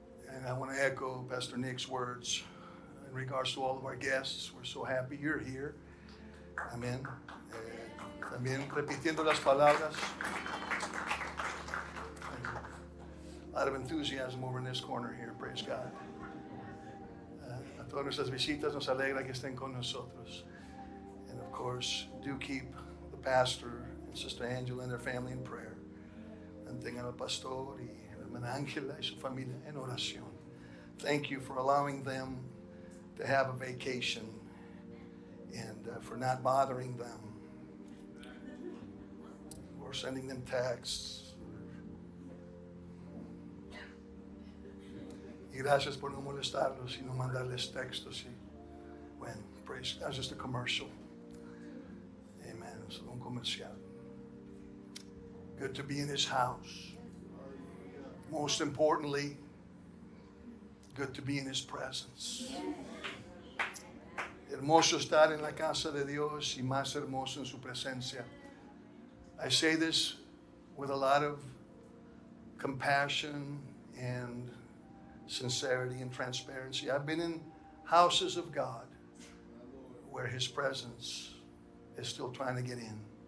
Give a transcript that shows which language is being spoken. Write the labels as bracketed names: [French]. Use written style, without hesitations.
[English] And I want to echo Pastor Nick's words in regards to all of our guests. We're so happy you're here. Amen. [Spanish] También repitiendo las palabras. [English] A lot of enthusiasm over in this corner here. Praise God. [Spanish] A todas nuestras visitas nos alegra que estén con nosotros. [English] And of course, do keep the pastor and Sister Angela and their family in prayer. [Spanish] Mantengan al pastor y la hermana Angela y su familia en oración. [English] Thank you for allowing them to have a vacation and for not bothering them or sending them texts. [Spanish] Y gracias por no molestarlos y no mandarles textos. [English] Bueno, praise, that's just a commercial. Amen. [Spanish] Solo un comercial. [English] Good to be in his house. Most importantly, good to be in his presence. Yes. [Spanish] Hermoso estar en la casa de Dios y más hermoso en su presencia. [English] I say this with a lot of compassion and sincerity and transparency. I've been in houses of God where his presence is still trying to get in.